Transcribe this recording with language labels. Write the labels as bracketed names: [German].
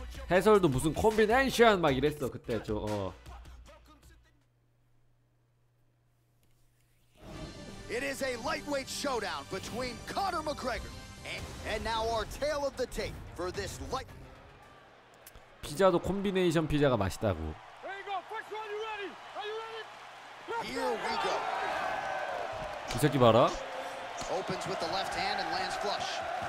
[Korean] 해설도 무슨 콤비네이션 막 이랬어 그때 저 어. [English] It is a lightweight showdown between Conor McGregor and now our tale of the tape for this light. [Korean] 피자도 콤비네이션 피자가 맛있다고. [English] There you go. First one, you ready? Are you ready? He here we go. [Korean] 이 새끼 봐라. [English] Opens with the left hand and lands flush.